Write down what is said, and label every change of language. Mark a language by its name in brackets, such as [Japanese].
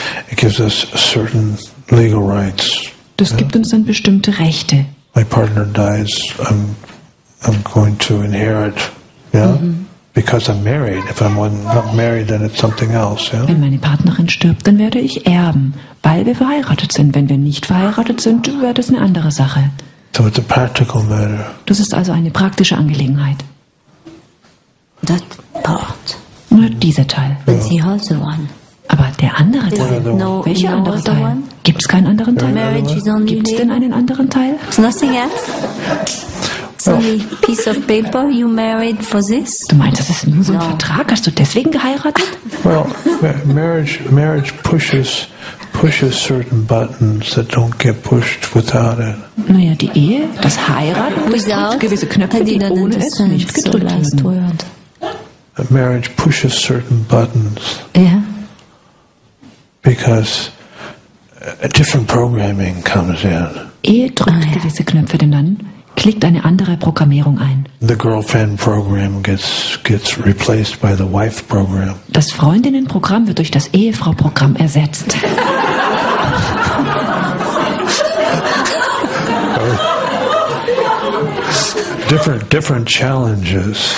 [English] It gives us certain legal rights. [German] Das gibt uns dann bestimmte Rechte. [English] My partner dies, I'm going to inherit, yeah? Mm-hmm. Because I'm married. If I'm not married, then it's something else, yeah? [German] Wenn meine Partnerin stirbt, dann werde ich erben, weil wir verheiratet sind. Wenn wir nicht verheiratet sind, wäre das eine andere Sache. [English] So it's a practical matter. [German] Das ist also eine praktische Angelegenheit. [English] That part. [German] Nur dieser Teil. [English] But he has the one. [German] Aber der andere Teil, welcher andere Teil? Gibt es keinen anderen Teil? Gibt es denn einen anderen Teil? [English] It's nothing else. It's only a piece of paper you married for this. [German] Du meinst, das ist nur so ein Vertrag? Hast du deswegen geheiratet? [English] Well, marriage pushes certain buttons that don't get pushed without it. [German] Naja, die Ehe, das Heiraten, das gibt gewisse Knöpfe, die ohne es nicht gedrückt werden. [English] Marriage pushes certain buttons. [German] Ja. [English] Because a different programming comes in. [German] Ehe drückt gewisse Knöpfe, denn dann klickt eine andere Programmierung ein. [English] The girlfriend program gets replaced by the wife program. [German] Das Freundinnenprogramm wird durch das Ehefrauprogramm ersetzt. [English] different challenges.